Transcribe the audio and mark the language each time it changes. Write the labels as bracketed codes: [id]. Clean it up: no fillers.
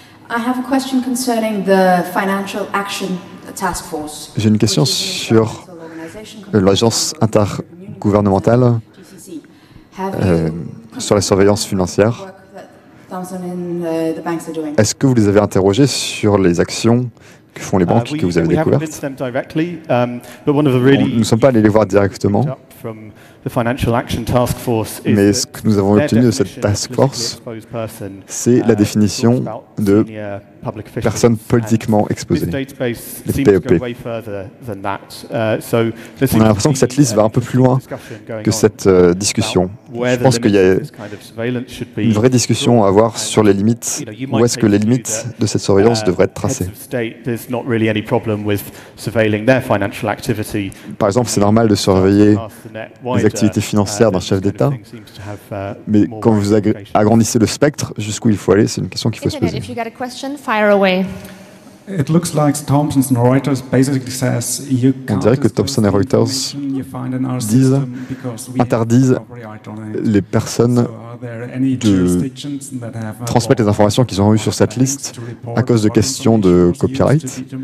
[en] I have a question concerning the financial action task force. [fr] J'ai une question sur l'agence intergouvernementale sur la surveillance financière. Est-ce que vous les avez interrogés sur les actions que font les banques que vous avez découvertes? Nous ne sommes pas allés les voir directement. Mais ce que nous avons obtenu de cette task force, c'est la définition de personnes politiquement exposées, les POP. On a l'impression que cette liste va un peu plus loin que cette discussion. Je pense qu'il y a une vraie discussion à avoir sur les limites, où est-ce que les limites de cette surveillance devraient être tracées. Par exemple, c'est normal de surveiller les activités financières d'un chef d'État, mais quand vous agrandissez le spectre, jusqu'où il faut aller, c'est une question qu'il faut se poser. [en] It looks like Thomson and Reuters basically says you can't. [fr] On dirait que Thomson et Reuters disent interdisent les personnes de transmettre les informations qu'ils ont eues sur cette liste à cause de questions de copyright.